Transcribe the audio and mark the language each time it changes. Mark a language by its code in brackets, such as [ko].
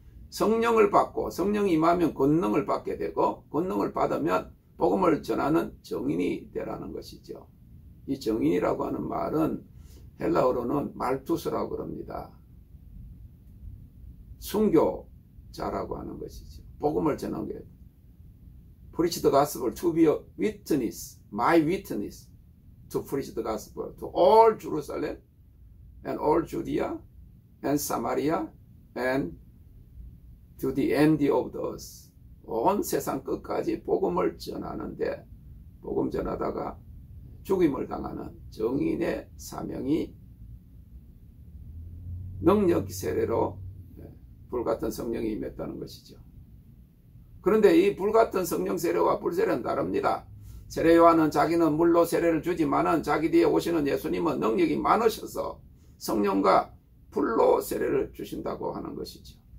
[ko] 성령을 받고 성령이 임하면 권능을 받게 되고 권능을 받으면 복음을 전하는 증인이 되라는 것이죠. 이 증인이라고 하는 말은 헬라어로는 말투스라고 그럽니다. 순교자라고 하는 것이죠. 복음을 전하는 게 [en] Preach the gospel to be a witness, my witness, to preach the gospel to all Jerusalem and all Judea and Samaria and to the end of the earth. [ko] 온 세상 끝까지 복음을 전하는데 복음 전하다가 죽임을 당하는 증인의 사명이 능력 세례로 불같은 성령이 임했다는 것이죠. 그런데 이 불같은 성령 세례와 불세례는 다릅니다. 세례 요한은 자기는 물로 세례를 주지만은 자기 뒤에 오시는 예수님은 능력이 많으셔서 성령과 불로 세례를 주신다고 하는 것이죠.